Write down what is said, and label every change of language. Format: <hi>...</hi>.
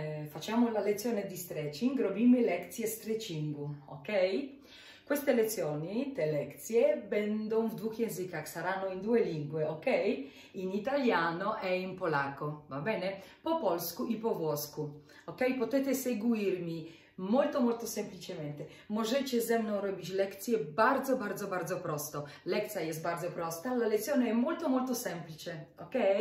<it>Facciamo la lezione di stretching,</it> <pl>robimy lekcje stretchingu,</pl> <it>ok? Queste lezioni,</it> <pl>te lekcje, będą w dwóch językach,</pl> <it>saranno in due lingue, ok? In italiano e in polacco, va bene?</it> <pl>Po polsku i po włosku,</pl> <it>ok? Potete seguirmi molto molto semplicemente.</it> <pl>Możecie ze mną robić lekcje bardzo bardzo bardzo prosto. Lekcja jest bardzo prosta,</pl> <it>la lezione è molto molto semplice, ok?</it>